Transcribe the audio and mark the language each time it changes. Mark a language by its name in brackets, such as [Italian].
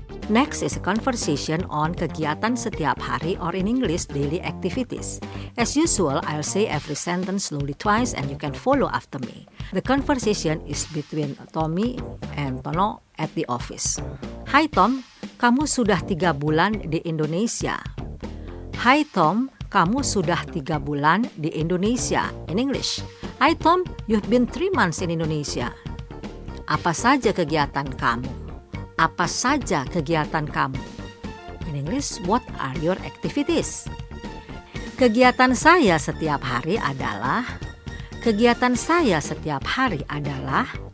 [English] Next is a conversation on [Indonesian] kegiatan setiap hari, [English] or in English, daily activities. As usual, I'll say every sentence slowly twice and you can follow after me. The conversation is between Tommy and Tono at the office. [Indonesian] Hi Tom, kamu sudah 3 bulan di Indonesia. Hi Tom, kamu sudah 3 bulan di Indonesia. [English] In English. Hi Tom, you've been 3 months in Indonesia. [Indonesian] Apa saja kegiatan kamu? Apa saja kegiatan kamu? [English] In English, what are your activities? [Indonesian] Kegiatan saya setiap hari adalah... Kegiatan saya setiap hari adalah...